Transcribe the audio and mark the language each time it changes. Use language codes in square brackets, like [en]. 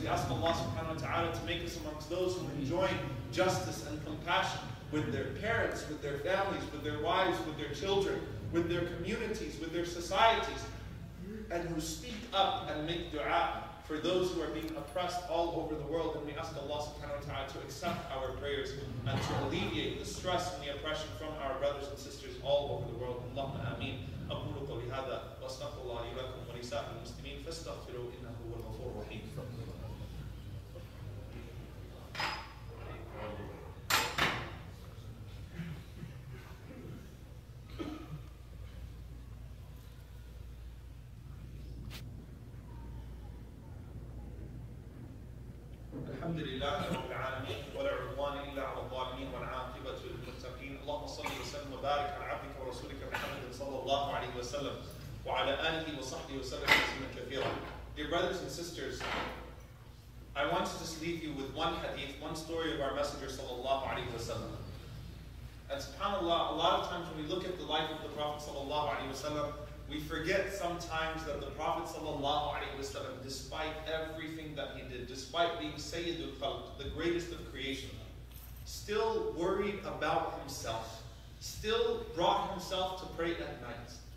[en] We ask Allah subhanahu wa ta'ala to make us amongst those who enjoy justice and compassion with their parents, with their families, with their wives, with their children, with their communities, with their societies, and who speak up and make dua for those who are being oppressed all over the world. And we ask Allah subhanahu wa ta'ala to accept our prayers and to alleviate the stress and the oppression from our brothers and sisters all over the world. Allahumma ameen. [ar] أقول قولي هذا وأستغفر الله لي ولكم ولسائر المسلمين فاستغفروا إنه هو الغفور الرحيم. الحمد لله رب العالمين ولا عدوان إلا على الظالمين والعاقبة للمتقين. اللهم صل وسلم وبارك على عبدك ورسولك محمد صلى الله عليه وسلم وعلى آله وصحبه وسلم تسليما كثيرا. [en] Dear brothers and sisters, I want to just leave you with one hadith, one story of our Messenger [ar] صلى الله عليه وسلم. [en] And subhanAllah, a lot of times when we look at the life of the Prophet [ar] صلى الله عليه وسلم, [en] we forget sometimes that the Prophet ﷺ, despite everything that he did, despite being Sayyidul Khalq, the greatest of creation, still worried about himself, still brought himself to pray at night.